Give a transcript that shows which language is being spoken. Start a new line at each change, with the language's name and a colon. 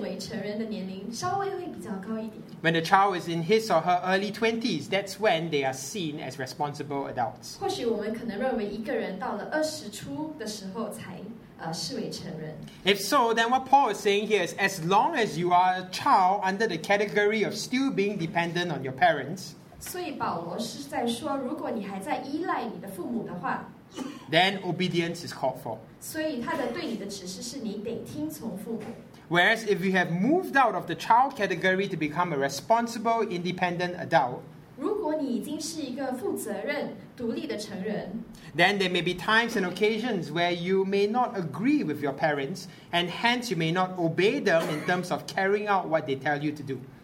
Chinese: 在东方和新加坡的文化，可能一个人变为成人的年龄稍微会比较高一点。
English: When the child is in his or her early 20s, that's when they are seen as responsible adults.
Chinese: 或许我们可能认为一个人到了20出的时候才视为成人。
English: If so, then what Paul is saying here is, as long as you are a child under the category of still being dependent on your parents,
Chinese: 所以保罗是在说，如果你还在依赖你的父母的话，
English: then obedience is called for.
Chinese: 所以他的对你的指示是你得听从父母。
English: Whereas if you have moved out of the child category to become a responsible, independent adult,
Chinese: 如果你已经是一个负责任，独立的成人，
English: then there may be times and occasions where you may not agree with your parents, and hence you may not obey them in terms of carrying out what they tell you to do.